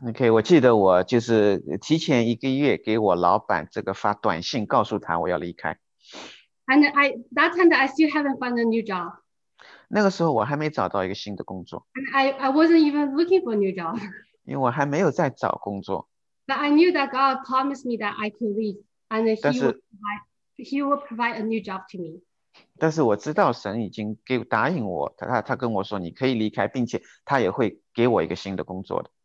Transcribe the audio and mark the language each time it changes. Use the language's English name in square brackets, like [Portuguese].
[Chinese] Okay, 我记得我就是提前一个月给我老板这个发短信，告诉他我要离开。 [English] And I that time that I still haven't found a new job. [Chinese] 那个时候我还没找到一个新的工作。 [English] And I wasn't even looking for a new job. [Chinese] 因为我还没有在找工作。 [English] But I knew that God promised me that I could leave, and that he will provide a new job to me. [Chinese] 但是我知道神已经给答应我，他跟我说你可以离开，并且他也会给我一个新的工作的。